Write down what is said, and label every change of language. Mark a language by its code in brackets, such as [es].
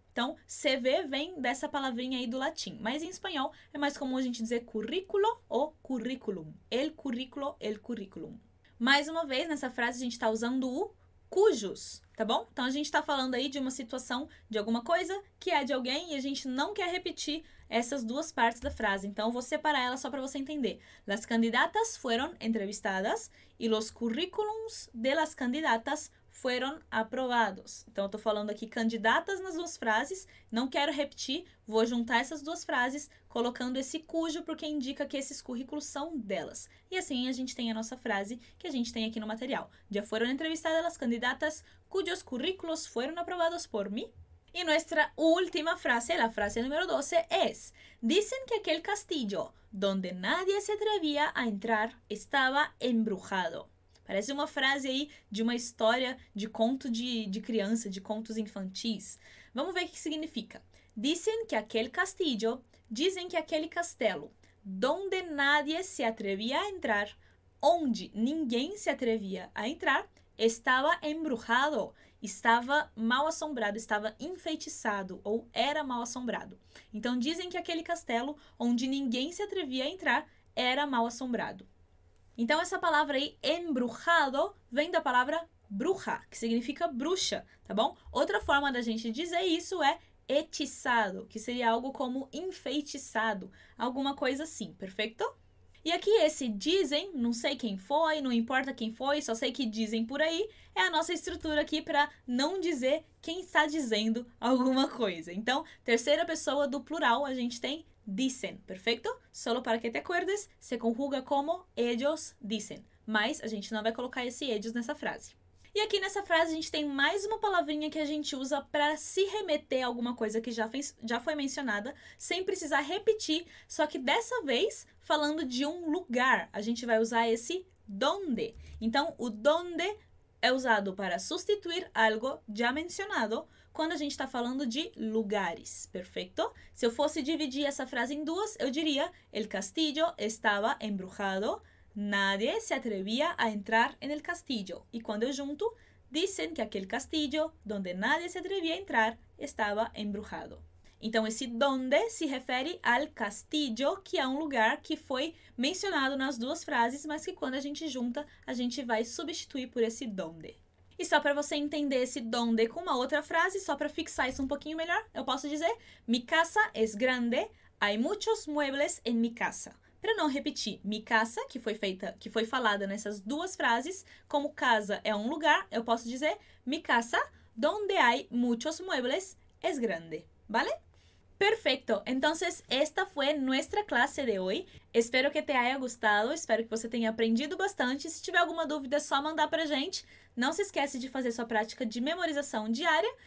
[pt] Então, CV vem dessa palavrinha aí do latim, mas em espanhol é mais comum a gente dizer currículo ou currículum, [es] el currículo, el currículum. [pt] Mais uma vez, nessa frase a gente está usando o cujos, tá bom? Então, a gente está falando aí de uma situação, de alguma coisa que é de alguém e a gente não quer repetir essas duas partes da frase. Então, vou separar ela só para você entender. [es] Las candidatas fueron entrevistadas y los currículums de las candidatas fueron aprobados. [pt] Então, eu estou falando aqui candidatas nas duas frases, não quero repetir, vou juntar essas duas frases colocando esse cujo porque indica que esses currículos são delas. E assim a gente tem a nossa frase que a gente tem aqui no material. Já foram entrevistadas [es] las candidatas cuyos currículos fueron aprobados por mí. E nuestra última frase, la frase número 12, es: dicen que aquel castillo donde nadie se atrevía a entrar estaba embrujado. [pt] Parece uma frase aí de uma história de conto de criança, de contos infantis. Vamos ver o que significa. [es] Dicen que aquel castillo, [pt] dizem que aquele castelo, [es] donde nadie se atrevía a entrar, [pt] onde ninguém se atrevia a entrar, estava embrujado, estava mal assombrado, estava enfeitiçado ou era mal assombrado. Então dizem que aquele castelo onde ninguém se atrevia a entrar era mal assombrado. Então, essa palavra aí, embrujado, vem da palavra bruja, que significa bruxa, tá bom? Outra forma da gente dizer isso é hechizado, que seria algo como enfeitiçado, alguma coisa assim, perfeito? E aqui esse dizem, não sei quem foi, não importa quem foi, só sei que dizem por aí, é a nossa estrutura aqui para não dizer quem está dizendo alguma coisa. Então, terceira pessoa do plural, a gente tem dicen, perfeito? [es] Solo para que te acuerdes, se conjuga como ellos dicen. [pt] Mas a gente não vai colocar esse ellos nessa frase. E aqui nessa frase a gente tem mais uma palavrinha que a gente usa para se remeter a alguma coisa que já foi mencionada, sem precisar repetir, só que dessa vez falando de um lugar. A gente vai usar esse donde. Então, o donde é usado para substituir algo já mencionado quando a gente está falando de lugares, perfeito? Se eu fosse dividir essa frase em duas, eu diria: [es] El castillo estaba embrujado. Nadie se atrevía a entrar en el castillo. [pt] E quando eu junto, [es] dicen que aquele castillo donde nadie se atrevía a entrar estaba embrujado. [pt] Então, esse donde se refere al castillo, que é um lugar que foi mencionado nas duas frases, mas que quando a gente junta, a gente vai substituir por esse donde. E só para você entender esse donde com uma outra frase, só para fixar isso um pouquinho melhor, eu posso dizer: [es] Mi casa es grande, hay muchos muebles en mi casa. [pt] Para não repetir, mi casa, que foi falada nessas duas frases, como casa é um lugar, eu posso dizer: [es] Mi casa, donde hay muchos muebles, es grande. ¿Vale? Perfecto. Entonces, esta fue nuestra clase de hoy. Espero que te haya gustado. [pt] Espero que você tenha aprendido bastante. Se tiver alguma dúvida, é só mandar pra gente. Não se esquece de fazer sua prática de memorização diária.